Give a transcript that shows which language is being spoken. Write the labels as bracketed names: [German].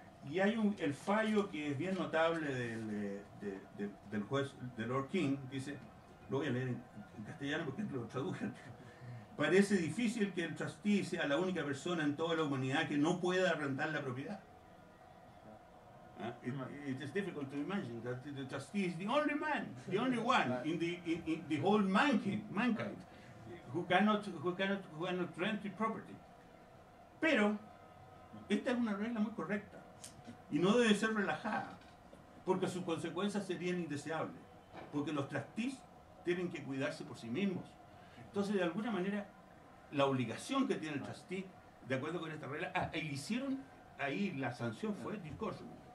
[Spanish] Y hay el fallo que es bien notable del juez, de Lord King, dice, lo voy a leer en castellano porque lo traduje. Parece difícil que el trustee sea la única persona en toda la humanidad que no pueda arrendar la propiedad. [English] It is difficult to imagine that the trustee is the only man, the only one in the whole mankind who cannot rent the property. [Spanish] Pero esta es una regla muy correcta y no debe ser relajada, porque sus consecuencias serían indeseables, porque los trustees tienen que cuidarse por sí mismos. Entonces, de alguna manera, la obligación que tiene el trustee, de acuerdo con esta regla, le hicieron ahí la sanción, fue discurso.